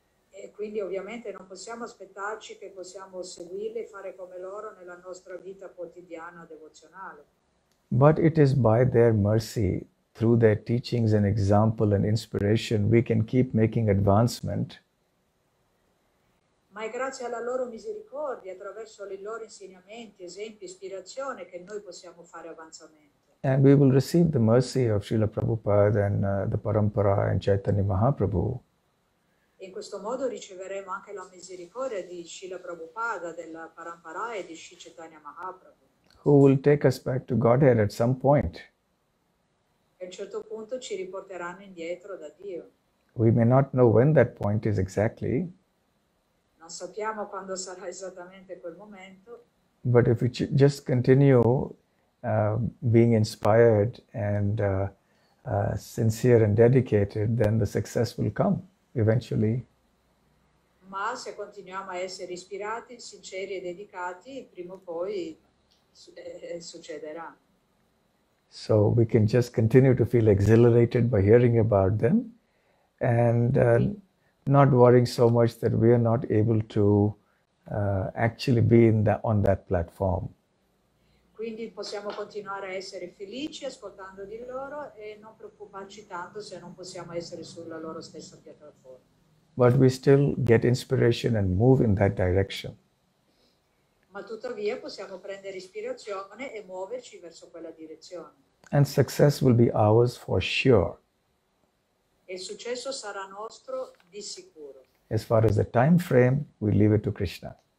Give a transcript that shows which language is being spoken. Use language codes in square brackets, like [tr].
[it] E quindi ovviamente non possiamo aspettarci che possiamo seguirli e fare come loro nella nostra vita quotidiana devozionale. [en] But it is by their mercy, through their teachings and example and inspiration, we can keep making advancement. [it] Ma è grazie alla loro misericordia, attraverso i loro insegnamenti, esempi, ispirazione, che noi possiamo fare avanzamento. [en] And we will receive the mercy of Srila Prabhupada and the Parampara and Chaitanya Mahaprabhu. [it] In questo modo riceveremo anche la misericordia di Srila Prabhupada, della Parampara e di Sri Chaitanya Mahaprabhu. [en] Who will take us back to Godhead at some point. [it] A un certo punto ci riporteranno indietro da Dio. [en] We may not know when that point is exactly. [it] Non sappiamo quando sarà esattamente quel momento. [en] But if we just continue being inspired and sincere and dedicated, then the success will come eventually. [it] Ma se continuiamo a essere ispirati, sinceri e dedicati, prima o poi succederà. [en] So we can just continue to feel exhilarated by hearing about them and not worrying so much that we are not able to actually be in that, on that platform. [it] Quindi possiamo continuare a essere felici ascoltando di loro e non preoccuparci tanto se non possiamo essere sulla loro stessa piattaforma. [en] But we still get inspiration and move in that direction. [it] Ma tuttavia possiamo prendere ispirazione e muoverci verso quella direzione. [en] And success will be ours for sure. [it] Il successo sarà nostro di sicuro. [en] As far as the time frame, we leave it to Krishna.